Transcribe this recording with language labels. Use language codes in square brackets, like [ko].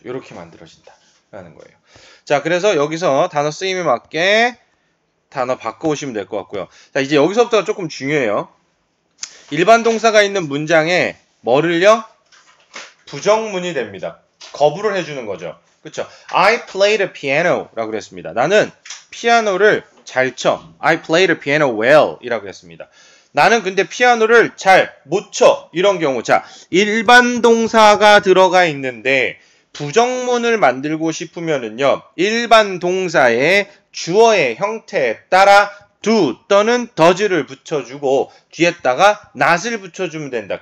[ko] 요렇게 만들어진다라는 거예요. 자, 그래서 여기서 단어 쓰임에 맞게 단어 바꿔오시면 될것 같고요. 자, 이제 여기서부터가 조금 중요해요. 일반 동사가 있는 문장에 뭐를요? 부정문이 됩니다. 거부를 해주는 거죠. 그렇죠. [en] I played a piano [ko] 라고 했습니다. 나는 피아노를 잘 쳐. [en] I played a piano well [ko] 이라고 했습니다. 나는 근데 피아노를 잘 못 쳐. 이런 경우. 자, 일반 동사가 들어가 있는데 부정문을 만들고 싶으면은요. 일반 동사의 주어의 형태에 따라 do 또는 does를 붙여주고 뒤에다가 not을 붙여주면 된다.